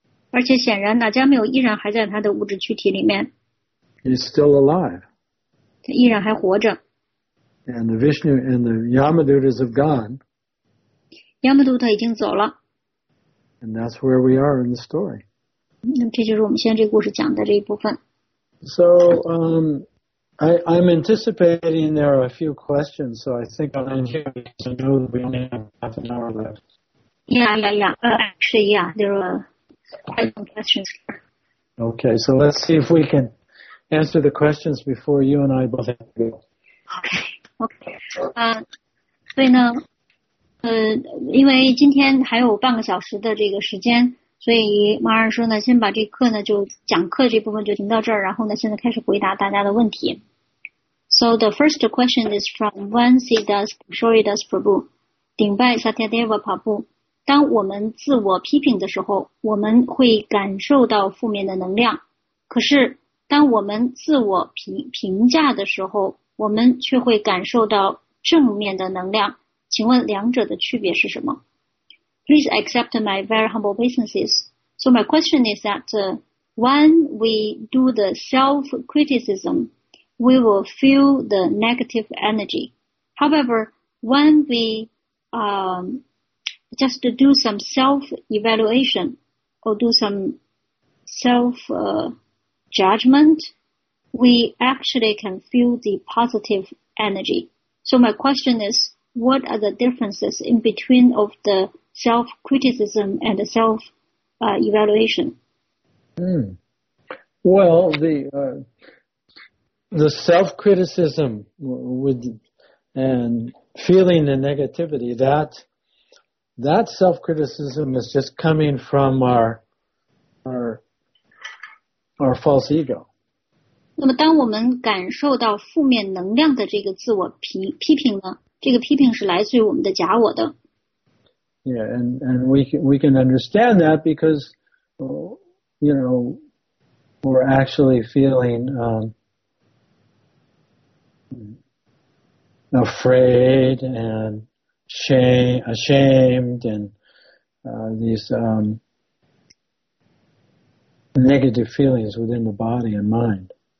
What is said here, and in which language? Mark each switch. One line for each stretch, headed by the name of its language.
Chinese: 而且显然 Ajamil 依然还在他的物质躯体里面。
English: He's still alive.
Chinese: 他依然还活着。
English: And the Vishnu and the Yamadutas have gone.
Chinese: Yamaduta 已经走了。
English: And that's where we are in the story.
Chinese: 那这就是我们现在这个故事讲的这一部分。
English: So I'm anticipating there are a few questions, so I think I'll end here because I know we only have half an hour left. Yeah, there are quite some questions. Okay, so let's see if we can answer the questions before you and I both have to go. Okay, okay.
Chinese: 所以呢，因为今天还有半个小时的这个时间，所以马尔说呢，先把这课呢，就讲课这部分就停到这儿，然后呢，现在开始回答大家的问题。
English: So the first question is from Vansidas Shoridas Prabhu.
Chinese: 顶拜 Satyadeva Prabhu. 当我们自我批评的时候，我们会感受到负面的能量。可是，当我们自我评价的时候，我们却会感受到正面的能量。请问两者的区别是什么？
English: Please accept my very humble obeisances. So my question is that when we do the self-criticism, we will feel the negative energy. However, when we just to do some self-evaluation or do some self-judgment, we actually can feel the positive energy. So my question is, what are the differences in between of the self-criticism and the self-evaluation? Well, the self-criticism and feeling the negativity, that self-criticism is just coming from our false ego.
Chinese: 那么当我们感受到负面能量的这个自我批评呢，这个批评是来自于我们的假我的。
English: Yeah, and we can understand that because, you know, we're actually feeling afraid and ashamed and these negative feelings within the body and mind.